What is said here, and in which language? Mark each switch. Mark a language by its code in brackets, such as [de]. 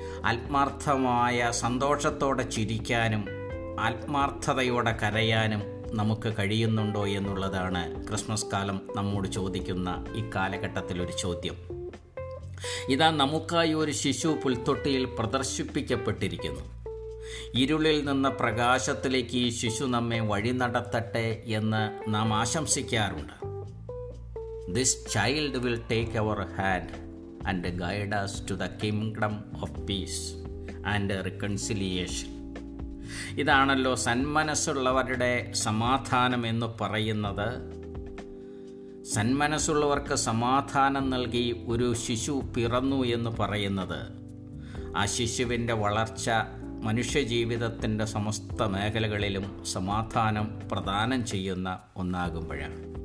[ml] ആത്മാർത്ഥമായ സന്തോഷത്തോടെ ചിരിക്കാനും ആത്മാർത്ഥതയോടെ കരയാനും നമുക്ക് കഴിയുന്നുണ്ടോ എന്നുള്ളതാണ് ക്രിസ്മസ് കാലം നമ്മോട് ചോദിക്കുന്ന ഇക്കാലഘട്ടത്തിലൊരു ചോദ്യം. ഇതാ നമുക്കായി ഒരു ശിശു പുൽത്തൊട്ടിയിൽ പ്രദർശിപ്പിക്കപ്പെട്ടിരിക്കുന്നു. ഇരുളിൽ നിന്ന് പ്രകാശത്തിലേക്ക് ഈ ശിശു നമ്മെ വഴി നടത്തട്ടെ എന്ന് നാം ആശംസിക്കാറുണ്ട്. [en] This child will take our hand and guide us to the kingdom of peace and reconciliation. [ml] ഇതാണല്ലോ സന്മനസ്സുള്ളവരുടെ സമാധാനം എന്ന് പറയുന്നത്. സന്മനസ്സുള്ളവർക്ക് സമാധാനം നൽകി ഒരു ശിശു പിറന്നു എന്ന് പറയുന്നത് ആ ശിശുവിൻ്റെ വളർച്ച മനുഷ്യജീവിതത്തിൻ്റെ സമസ്ത മേഖലകളിലും സമാധാനം പ്രദാനം ചെയ്യുന്ന ഒന്നാകുമ്പോഴാണ്.